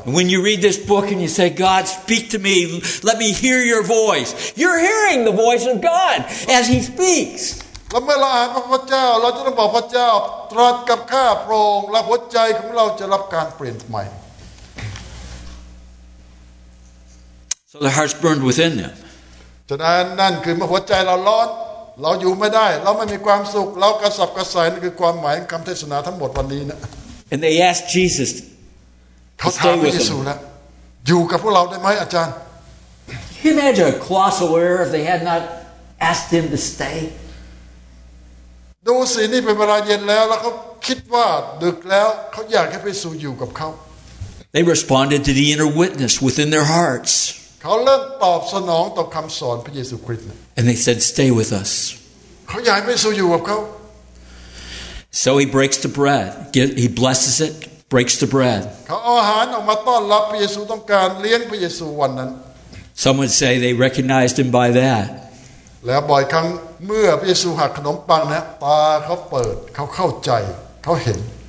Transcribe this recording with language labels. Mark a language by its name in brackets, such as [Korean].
[English] When you read this book and you say God speak to me let me hear your voice you're hearing the voice of God as he speaks [Thai] เมื่อเราอ่านพระเจ้าเราจะต้องบอกพระเจ้าตรัสกับข้าพระองค์และหัวใจของเราจะรับการเปลี่ยนใหม่ [English] So the heart's burned within them [Thai] ฉะนั้นนั่นคือเมื่อหัวใจเราร้อนเราอยู่ไม่ได้เราไม่มีความสุขเรากระสับกระส่ายนั่นคือความหมายของคำเทศนาทั้งหมดวันนี้นะ [English] And they asked Jesus [Thai] เขาถามพระเยซูแล้วอยู่กับพวกเราได้ไหมอาจารย์ [English] Can you imagine a colossal error if they had not asked him to stay [Thai] ดูสินี่เป็นเวลาเย็นแล้วแล้วเขาคิดว่าดึกแล้วเขาอยากให้พระเยซูอยู่กับเขา [English] They responded to the inner witness within their hearts [Thai] เขาเริ่มตอบสนองต่อคำสอนพระเยซูคริสต์ [English] And they said stay with us [Thai] เขาอยากให้พระเยซูอยู่กับเขา [English] So he breaks the bread he blesses it breaks the bread [Thai] เขาเอาอาหารออกมาต้อนรับพระเยซูต้องการเลี้ยงพระเยซูวันนั้น [English] Some would say they recognized him by that. [Thai] แล้วบ่อยครั้งเมื่อพระเยซูหักขนมปังนะตาเขาเปิดเขาเข้าใจเขาเห็น